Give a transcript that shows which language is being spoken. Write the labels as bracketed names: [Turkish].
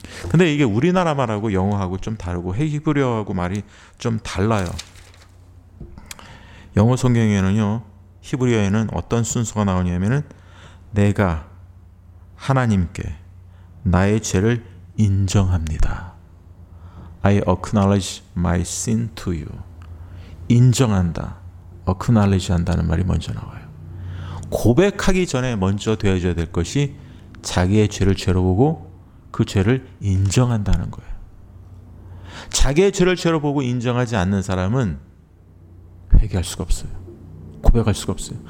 [Korean] 근데 이게 우리나라 말하고 영어하고 좀 다르고 히브리어하고 말이 좀 달라요. 영어 성경에는요, 히브리어에는 어떤 순서가 나오냐면은 내가 하나님께 나의 죄를 인정합니다. [English] I acknowledge my sin to you. [Korean] 인정한다. acknowledge 한다는 말이 먼저 나와요. 고백하기 전에 먼저 되어져야 될 것이 자기의 죄를 죄로 보고 그 죄를 인정한다는 거예요. 자기의 죄를 죄로 보고 인정하지 않는 사람은 회개할 수가 없어요. 고백할 수가 없어요.